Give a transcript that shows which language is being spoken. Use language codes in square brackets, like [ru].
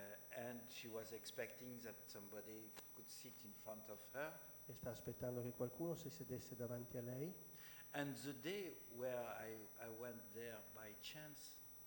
[en] and she was expecting that somebody could sit in front of her. [it] E sta aspettando che qualcuno si sedesse davanti a lei. [en] And the day where I went there by chance,